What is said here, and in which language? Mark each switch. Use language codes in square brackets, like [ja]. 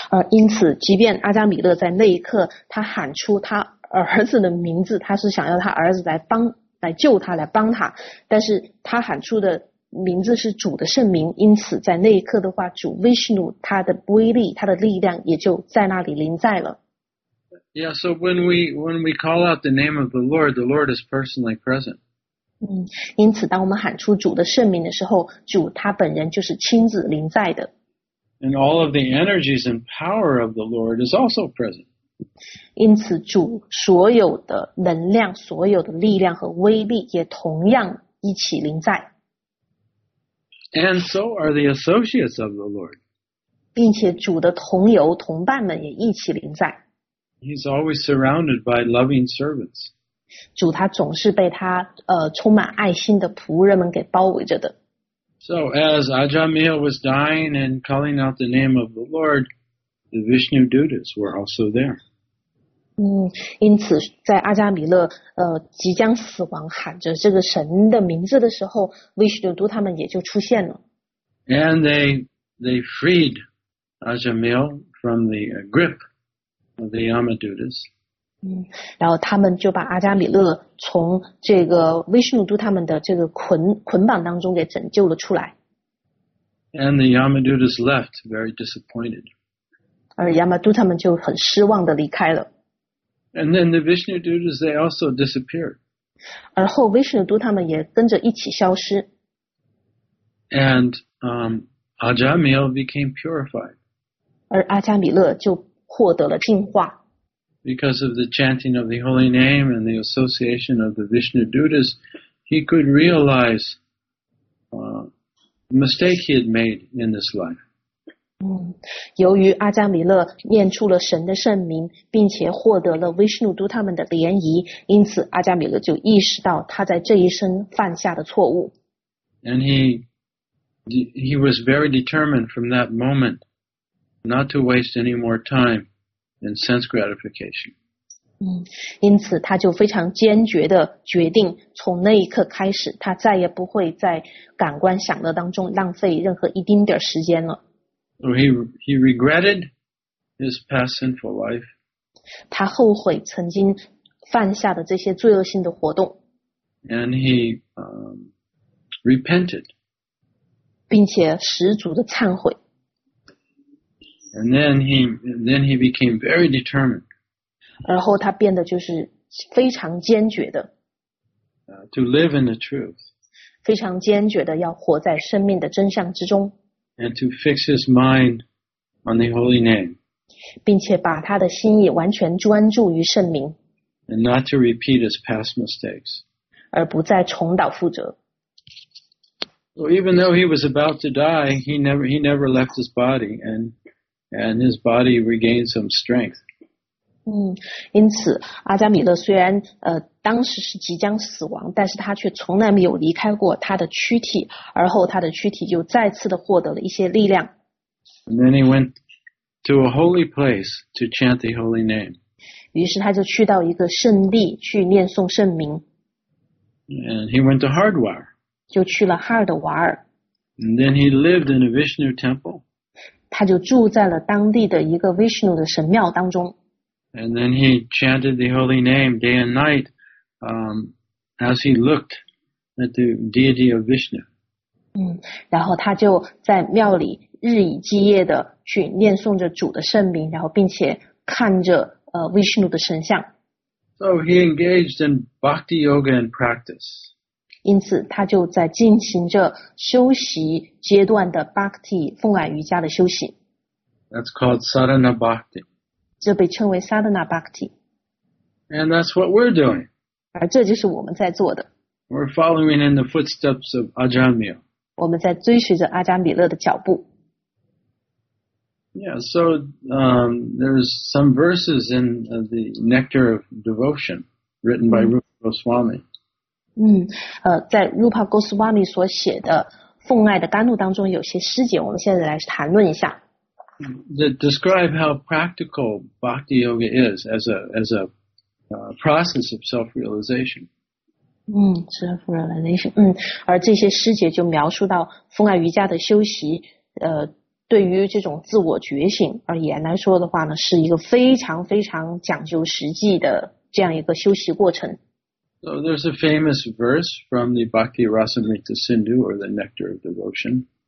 [zh] 因此即便阿迦米勒在那一刻他喊出他儿子的名字，他是想要他儿子来救他，来帮他，但是他喊出的名字是主的圣名，因此在那一刻的话，主 Vishnu 他的威力，他的力量也就在那里临在了。 [en] Yeah, so when we call out the name of the Lord, the Lord is personally present. [zh] 因此当我们喊出主的圣名的时候，主他本人就是亲自临在的。 [en] And all of the energies and power of the Lord is also present. [zh] 因此主所有的能量，所有的力量和威力也同样一起临在。 [en] And so are the associates of the Lord. [zh] 并且主的同游同伴们也一起临在。 [en] He's always surrounded by loving servants. [zh] 主他总是被他充满爱心的仆人们给包围着的。 [en] So as Ajahn Mir was dying and calling out the name of the Lord, the Vishnu Dutas were also there. [zh] 因此在阿迦米勒即将死亡喊着这个神的名字的时候， Vishnu Dutas 他们也就出现了。 [en] And they freed Ajahn Mir from the grip of the Yama Dutas. [zh] 然后他们就把阿迦米勒从这个 Vishnu Dutas 他们的这个捆绑当中给拯救了出来。 [en] And the Yamadutas left very disappointed. [zh] 而 Yamadutas 他们就很失望的离开了。 [en] And then the Vishnu Dutas, they also disappeared. [zh] 而后 Vishnu Dutas 他们也跟着一起消失。 [en] And Ajahn Mir became purified. [zh] 而阿迦米勒就获得了净化。 [en] Because of the chanting of the holy name and the association of the Vishnu Dutas, he could realize the mistake he had made in this life. [zh] 由于阿迦米勒念出了神的圣名，并且获得了 Vishnu Dutas 他们的联谊，因此阿迦米勒就意识到他在这一生犯下的错误。 [en] And he was very determined from that moment not to waste any more time. And sense gratification. [zh] 因此他就非常坚决的决定，从那一刻开始，他再也不会在感官享乐当中浪费任何一丁点时间了。 [en] So he regretted his past sinful life. [zh] 他后悔曾经犯下的这些罪恶性的活动。 [en] And he repented [zh] 并且十足的忏悔。 [en] And then he became very determined. [zh] 然后他变得就是非常坚决的。 [en] To live in the truth. [zh] 非常坚决的要活在生命的真相之中。 [en] And to fix his mind on the holy name. [zh] 并且把他的心意完全专注于圣名。 [en] And not to repeat his past mistakes. [zh] 而不再重蹈覆辙。 [en] So even though he was about to die, he never left his body and his body regained some strength. [zh] 因此阿加米勒虽然当时是即将死亡，但是他却从来没有离开过他的躯体，而后他的躯体就再次的获得了一些力量。 [en] And then he went to a holy place to chant the holy name. [zh] 于是他就去到一个圣地去念诵圣名。 [en] And he went to Hardwar. [zh] 就去了哈尔德瓦尔。 [en] And then he lived in a Vishnu temple. [zh] 他就住在了当地的一个 Vishnu 的神庙当中。 [en] And then he chanted the holy name day and night, as he looked at the deity of Vishnu. [zh] 然后他就在庙里日以继夜的去念诵着主的圣名，然后并且看着Vishnu 的神像。 [en] So he engaged in bhakti yoga and practice. [zh] 因此他就在进行着休息阶段的 Bhakti 奉懒瑜伽的休息。 [en] That's called Sadhana Bhakti. [zh] 这被称为 Sadhana Bhakti. [en] And that's what we're doing. [zh] 而这就是我们在做的。 [en] We're following in the footsteps of Ajahnmila. [zh] 我们在追随着阿加米勒的脚步。 [en] Yeah, so there's some verses in the Nectar of Devotion written by Rupa Goswami. [zh] 在 Rupa Goswami 所写的奉爱的甘露当中有些诗节，我们现在来谈论一下。 [en] That describe how practical bhakti yoga is as a process of self-realization. Self-realization. [zh] 而这些诗节就描述到奉爱瑜伽的修习，对于这种自我觉醒而言来说的话呢，是一个非常非常讲究实际的这样一个修习过程。 [en] So there's a famous verse from the Bhakti Rasamrita Sindhu or the Nectar of Devotion.